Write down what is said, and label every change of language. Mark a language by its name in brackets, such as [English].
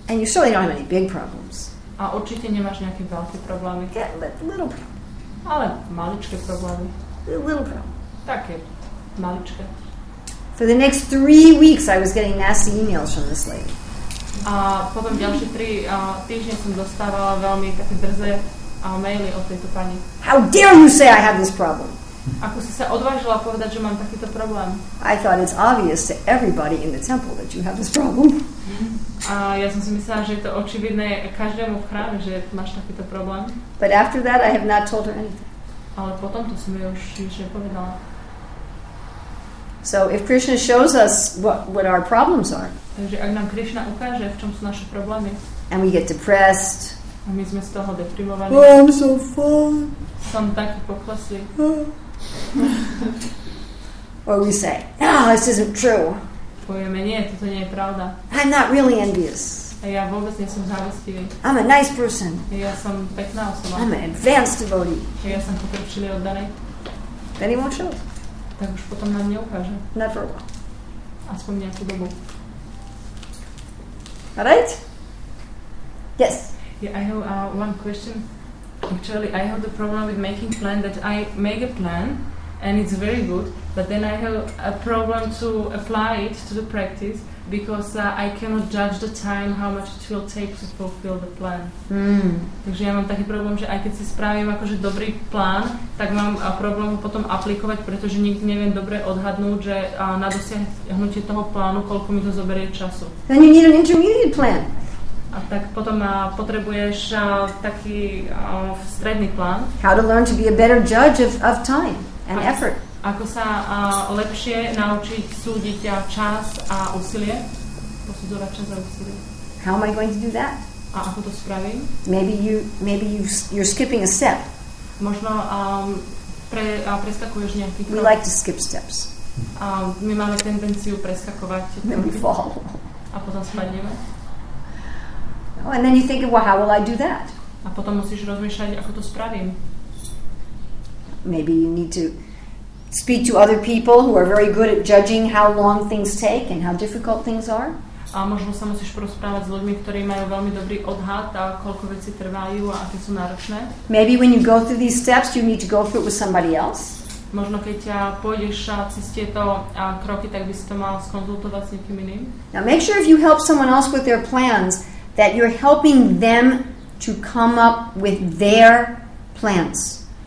[English] And you surely don't have any big problems. [Slovak] A určite nemáš nejaké veľké problémy. [English] Yeah, little problems. [Slovak] Ale maličké problémy. [English] Little problems. [Slovak] Také, maličké. [English] For the next 3 weeks I was getting nasty emails from this lady. [Slovak] A potom ďalšie 3 týždne som dostávala veľmi také drzé maily od tejto pani. [English] How dare you say I have this problem? [Slovak] Ako si sa odvážila povedať, že mám takýto problém? [English] I thought it's obvious to everybody in the temple that you have this problem. [Slovak] A ja som si myslela, že je to očividné každému v chráme, že máš takýto problém. [English] But after that I have not told her anything. [Slovak] Ale potom to som jej už nič nepovedala. [English] So if Krishna shows us what our problems are. [Slovak] Takže ak nám Krishna ukáže, v čom sú naše problémy. [English] And we get depressed. [Slovak] A my sme z toho deprimovaní. [English] Oh, I'm so full. [Slovak] Som taký poklesý. [English] Or we say, no, this isn't true. [Slovak] Povieme, nie, toto nie je pravda. [English] I'm not really envious. [Slovak] A ja vôbec nie som závistivý. [English] I'm a nice person. [Slovak] Ja som pekná osoba. [English] I'm an advanced devotee. [Slovak] Ja som pokročilý oddaný. [English] Then he won't show. [Slovak] Tak už potom nám neukáže. [English] Never. [Slovak] Aspoň nejakú dobu. [English] All right? Yes. Yeah, I have one question. Actually, I have the problem with making plan that I make a plan and it's very good, but then I have a problem to apply it to the practice because I cannot judge the time how much it will take to fulfill the plan. Mm. [Slovak] Takže ja mám taký problém, že aj keď si spravím akože dobrý plán, tak mám problém ho potom aplikovať, pretože nikdy neviem dobre odhadnúť, že na dosiahnutie toho plánu, koľko mi to zoberie času. [English] Then you need an intermediate plan. [Slovak] A tak potom potrebuješ taký stredný plán. [English] How to learn to be a better judge of time and effort. [Slovak] Ako sa lepšie naučiť súdiť čas a úsilie? Posudzovať čas a úsilie. [English] How am I going to do that? [Slovak] A ako to spravím? [English] Maybe you're skipping a step. [Slovak] Možno preskakuješ nejaký krok. [English] We like to skip steps. [Slovak] My máme tendenciu preskakovať. [English] Then we fall. [Slovak] A potom spadneme. [English] Oh, and then you think, well, how will I do that? [Slovak] A potom musíš rozmýšľať, ako to spravím. [English] Maybe you need to speak to other people who are very good at judging how long things take and how difficult things are. [Slovak] A možno sa musíš porozprávať s ľuďmi, ktorí majú veľmi dobrý odhad a koľko veci trvajú a aké sú náročné. [English] Maybe when you go through these steps, you need to go through it with somebody else. [Slovak] Možno keď ťa pôjdeš cez tieto kroky, tak by si to mal skonzultovať s niekým iným. [English] Now make sure if you help someone else with their plans that you're helping them to come up with their plans.